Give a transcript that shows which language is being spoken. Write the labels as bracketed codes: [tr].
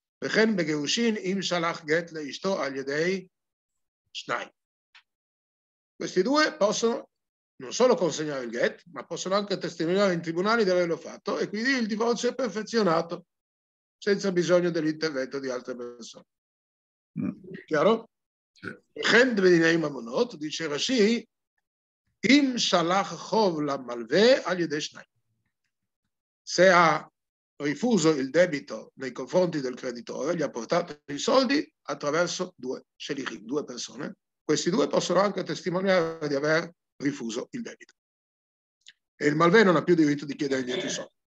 [he] וכן בגירושין אם שלח גט לאשתו על ידי שניים. [it] Questi due possono non solo consegnare il get, ma possono anche testimoniare in tribunale di averlo fatto e quindi il divorzio è perfezionato senza bisogno dell'intervento di altre persone. Chiaro? [he] וכן בדיני ממונות, [it] dice Rashi, [he] אם שלח חוב למלווה על ידי שניים. [it] Se ha rifuso il debito nei confronti del creditore, gli ha portato i soldi attraverso due persone. Questi due possono anche testimoniare di aver rifuso il debito. E il malvè non ha più diritto di chiedere dietro i soldi.